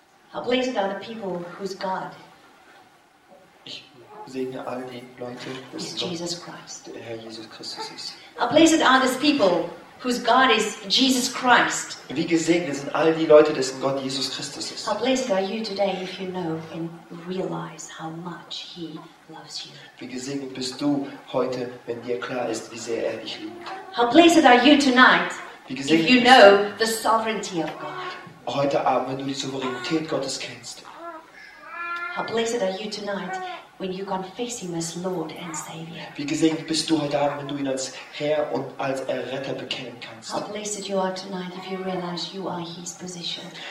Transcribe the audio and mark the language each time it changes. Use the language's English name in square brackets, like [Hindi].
[English] How blessed are the people whose God? [German] Ich segne all die Leute, dass Gott, der Herr Jesus Christus ist. [English] How blessed are these people whose God is Jesus Christ. [German] Wie gesegnet sind all die Leute, dessen Gott Jesus Christus ist. [English] How blessed are you today if you know and realize how much he loves you. [German] Wie gesegnet bist du heute, wenn dir klar ist, wie sehr er dich liebt. [English] How blessed are you tonight if you know the sovereignty of God. [German] Heute Abend, wenn du die Souveränität Gottes kennst. [English] How blessed are you tonight when you confess him as Lord and Savior. [German] Wie gesegnet bist du heute Abend, wenn du ihn als Herr und als Erretter bekennen kannst. [English] How blessed you are tonight if you realize you are his possession.